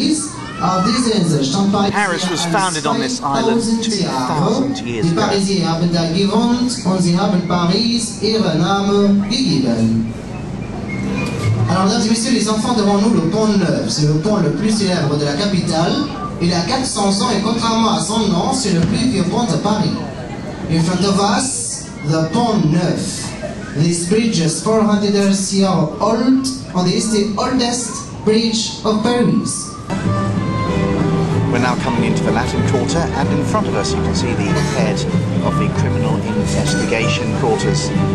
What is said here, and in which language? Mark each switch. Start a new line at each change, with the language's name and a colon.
English: Paris was founded on this island 2,000 years ago.
French: Alors, mesdames et messieurs, les enfants devant nous, le Pont Neuf, c'est le pont le plus célèbre de la capitale. Il a 400 ans et contrairement à son nom, c'est le plus vieux pont de Paris.
English: In front of us, the Pont Neuf. This bridge is 400 years old, and it's the oldest bridge of Paris. We're now coming into the Latin Quarter, and in front of us you can see the head of the Criminal Investigation Quarters.